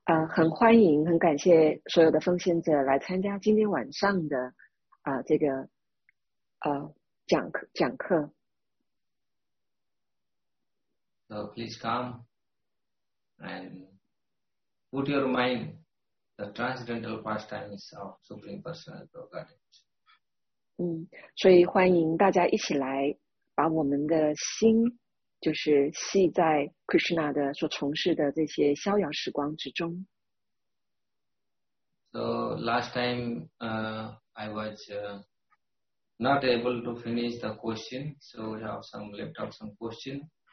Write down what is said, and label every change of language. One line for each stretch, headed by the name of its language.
Chinese: 很欢迎，很感谢所有的奉献者来参加今天晚上的这个讲课。
English: So please come and put your mind the transcendental pastimes of Supreme Personality of Godhead.
Chinese: 所以欢迎大家一起来把我们的心就是系在 Krishna 的所从事的这些逍遥时光之中。
English: So last time, I was not able to finish the question, so we have some left out some question.